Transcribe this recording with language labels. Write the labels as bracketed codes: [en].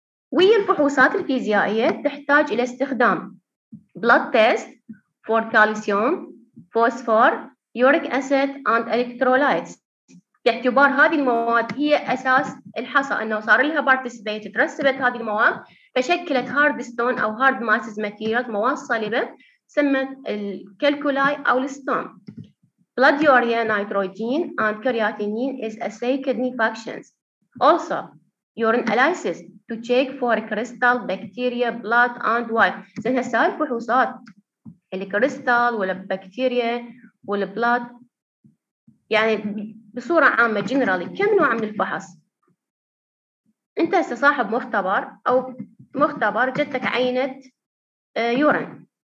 [ar] ويا الفحوصات الفيزيائية تحتاج إلى استخدام [en] blood test for calcium phosphor uric acid and electrolytes [ar] باعتبار هذه المواد هي أساس الحصى أنه صار لها participate ترسبت هذه المواد فشكلت [en] hard stone [ar] أو [en] hard masses materials [ar] مواد صلبة سمت الكالكولاي أو الستون [en] Blood urea, nitrogen, and creatinine is assay kidney functions. Also, urine analysis to check for crystal, bacteria, blood, and why. Then the cell [ar] فحوصات اللي crystal ولا بكتيريا ولا blood يعني بصورة عامة generally كم نوع من الفحص؟ أنت هسه صاحب مختبر أو مختبر جتك عينة urine.